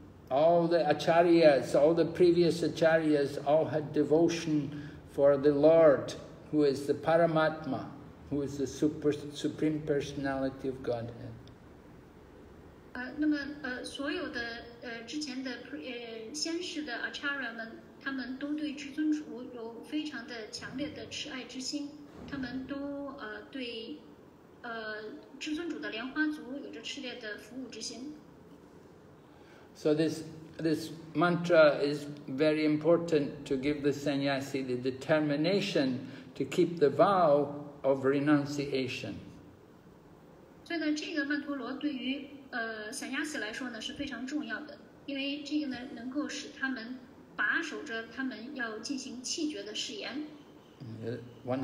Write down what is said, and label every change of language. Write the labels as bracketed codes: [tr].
[en] All the acharyas, all the previous acharyas, all had devotion for the Lord, who is the Paramatma, who is the Supreme Personality of Godhead. [zh] 那么所有的之前的先世的 acharya 们，他们都对至尊主有非常的强烈的痴爱之心，他们都对至尊主的莲花族有着炽烈的服务之心。So [en] this mantra is very important to give the sannyasi the determination to keep the vow of renunciation. [zh] 所以呢，这个曼陀罗对于 sannyasi来说呢是非常重要的，因为这个呢能够使他们把守着他们要进行弃绝的誓言。One